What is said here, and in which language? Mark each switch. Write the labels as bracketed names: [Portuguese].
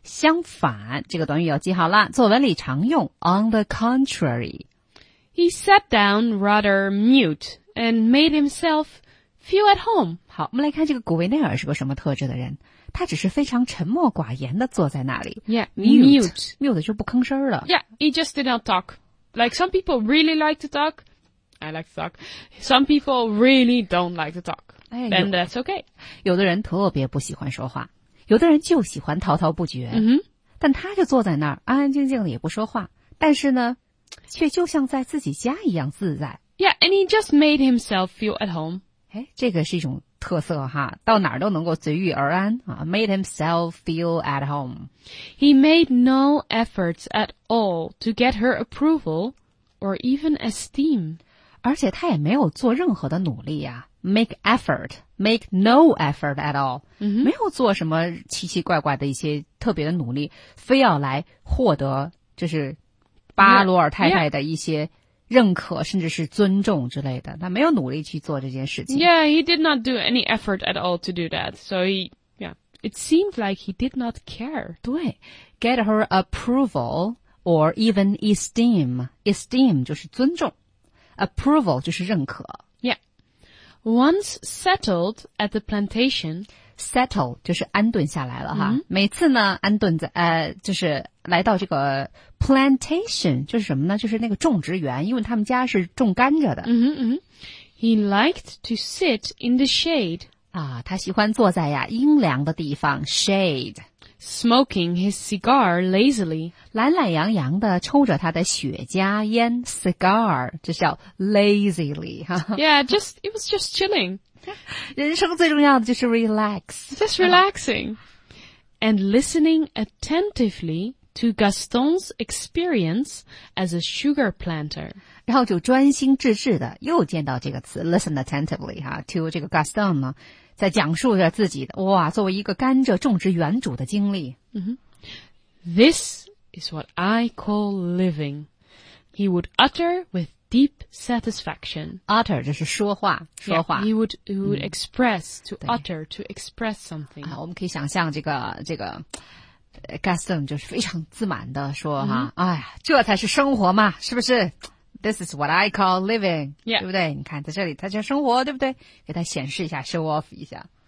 [Chinese] 相反，这个短语要记好了，作文里常用。 [English] On the contrary, he sat down rather mute and made himself feel at home. [Chinese] 好，我们来看这个古维内尔是个什么特质的人？他只是非常沉默寡言的坐在那里。 [English] Yeah, [Chinese] mute 就不吭声了。 [English] Yeah, he just did not talk. Like some people really like to talk, I like to talk. Some people really don't like to talk. Then that's okay. [Chinese] 有的人特别不喜欢说话。有的人就喜欢滔滔不绝、 mm-hmm. 但他就坐在那儿安安静静的也不说话但是呢却就像在自己家一样自在 [English] Yeah, and he just made himself feel at home [Chinese] 诶这个是一种特色哈到哪儿都能够随遇而安、啊、 [English] Made himself feel at home He made no efforts at all to get her approval or even esteem [Chinese] 而且他也没有做任何的努力呀、啊 [English] Make effort, make no effort at all.、 Mm-hmm. [Chinese] 没有做什么奇奇怪怪的一些特别的努力非要来获得就是巴罗尔太太的一些认可 [English] yeah, yeah. [Chinese] 甚至是尊重之类的。他没有努力去做这件事情。 [English] Yeah, he did not do any effort at all to do that. So he, yeah, it seemed like he did not care. [Chinese] 对。 [English] Get her approval or even esteem. [Chinese] Esteem 就是尊重。Approval 就是认可。 [English] Once settled at the plantation, [Chinese] settle 就是安顿下来了哈。 Mm-hmm. 每次呢，安顿在就是来到这个 plantation 就是什么呢？就是那个种植园，因为他们家是种甘蔗的。嗯嗯。 [English] He liked to sit in the shade. [Chinese] 啊，他喜欢坐在呀阴凉的地方 shade, [English] smoking his cigar lazily, [Chinese] 懒懒洋洋的抽着他的雪茄烟 cigar, 这叫 lazily, 哈。 [English] Yeah, just, it was just chilling. [Chinese] 人生最重要的就是 relax. [English] Just relaxing. And listening attentively to Gaston's experience as a sugar planter. [Chinese] 然后就专心致志的又见到这个词 [English] listen attentively, [Chinese] 哈 to 这个 Gaston 呢。在讲述着自己的哇作为一个甘蔗种植园主的经历。 Mm-hmm. [English] This is what I call living. He would utter with deep satisfaction. [Chinese] Utter, 这是说话说话。 [English] Yeah, he would express, to utter, to express something.、 [Chinese] 啊、我们可以想象这个 Gaston 就是非常自满的说、mm-hmm. 啊、哎呀这才是生活嘛是不是 [English] This is what I call living,、 yeah. [Chinese] 对不对？你看在这里，他叫生活，对不对？给他显示一下 ， [English] show off [Chinese] 一下。